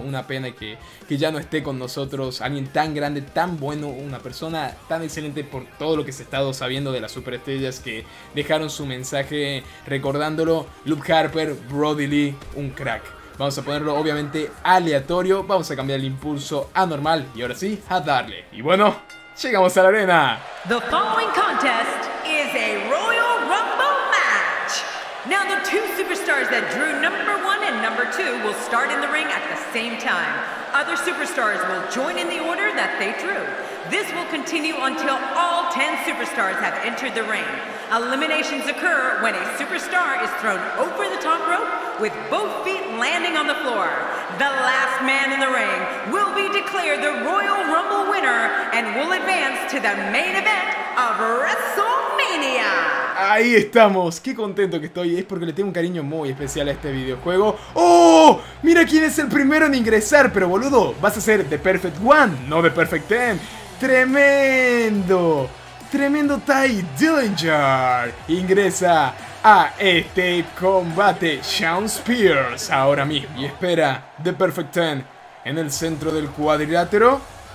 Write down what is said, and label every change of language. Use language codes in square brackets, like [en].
[es] Una pena que ya no esté con nosotros. Alguien tan grande, tan bueno, una persona tan excelente por todo lo que se ha estado sabiendo de las superestrellas que dejaron su mensaje recordándolo. Luke Harper, Brody Lee, un crack. Vamos a ponerlo obviamente aleatorio. Vamos a cambiar el impulso a normal y ahora sí, a darle. Y bueno, llegamos a la arena. [en] The following contest is a Royal Rumble match. Now the two superstars that drew number one and number two will start in the ring at the same time. Other superstars will join in the order that they drew. This will continue until all 10 superstars have entered the ring. Eliminations occur when a superstar is thrown over the top rope with both feet landing on the floor. The last man in the ring will be declared the Royal Rumble winner and will advance to the main event of WrestleMania. [es] Ahí estamos. Qué contento que estoy. Es porque le tengo un cariño muy especial a este videojuego. ¡Oh! Mira quién es el primero en ingresar. Pero boludo, vas a ser The Perfect One, no The Perfect Ten. ¡Tremendo! ¡Tremendo Ty Dillinger! Ingresa a este combate Shawn Spears ahora mismo. Y espera The Perfect Ten en el centro del cuadrilátero.